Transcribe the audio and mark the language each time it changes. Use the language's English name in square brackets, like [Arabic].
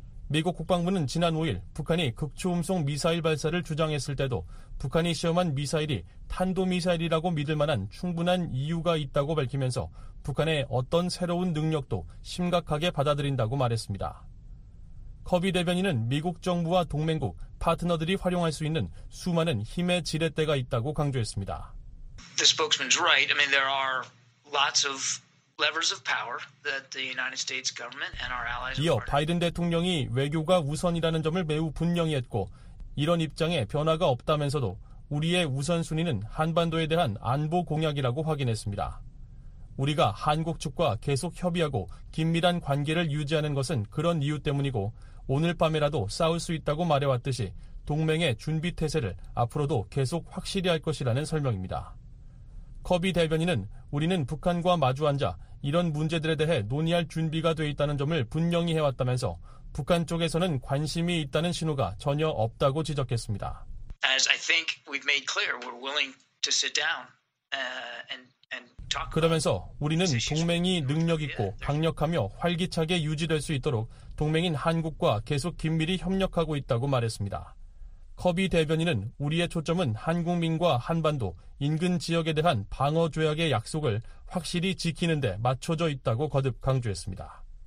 [Korean] 미국 국방부는 지난 5일 북한이 극초음속 미사일 발사를 주장했을 때도 북한이 시험한 미사일이 탄도미사일이라고 믿을 만한 충분한 이유가 있다고 밝히면서 북한의 어떤 새로운 능력도 심각하게 받아들인다고 말했습니다. 커비 대변인은 미국 정부와 동맹국, 파트너들이 활용할 수 있는 수많은 힘의 지렛대가 있다고 강조했습니다. [English] The spokesman's right. I mean, there are lots of levers of power that the United States government and our allies. [Korean] 이어 바이든 대통령이 외교가 우선이라는 점을 매우 분명히 했고 이런 입장에 변화가 없다면서도 우리의 우선순위는 한반도에 대한 안보 공약이라고 확인했습니다. 우리가 한국 측과 계속 협의하고 긴밀한 관계를 유지하는 것은 그런 이유 때문이고 오늘 밤에라도 싸울 수 있다고 말해왔듯이 동맹의 준비 태세를 앞으로도 계속 확실히 할 것이라는 설명입니다. 커비 대변인은 우리는 북한과 마주앉아 이런 문제들에 대해 논의할 준비가 돼 있다는 점을 분명히 해왔다면서 북한 쪽에서는 관심이 있다는 신호가 전혀 없다고 지적했습니다. [English] As I think we've made clear, we're willing to sit down and [Korean] 그러면서 우리는 동맹이 능력 있고 강력하며 활기차게 유지될 수 있도록 동맹인 한국과 계속 긴밀히 협력하고 있다고 말했습니다. 커비 대변인은 우리의 초점은 한국민과 한반도 인근 지역에 대한 방어 조약의 약속을 확실히 지키는 데 맞춰져 있다고 거듭 강조했습니다.